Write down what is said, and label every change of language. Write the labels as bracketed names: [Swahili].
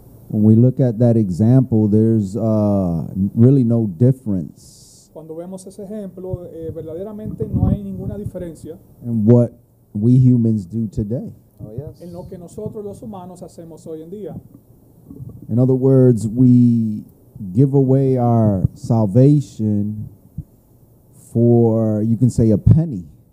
[English] When we look at that example, there's really no difference. [Spanish] Cuando vemos ese ejemplo, verdaderamente no hay ninguna diferencia. [English] In what we humans do today. Oh, yes. [Spanish] En lo que nosotros los humanos hacemos hoy en día. [English] In other words, we give away our salvation for, you can say, a penny.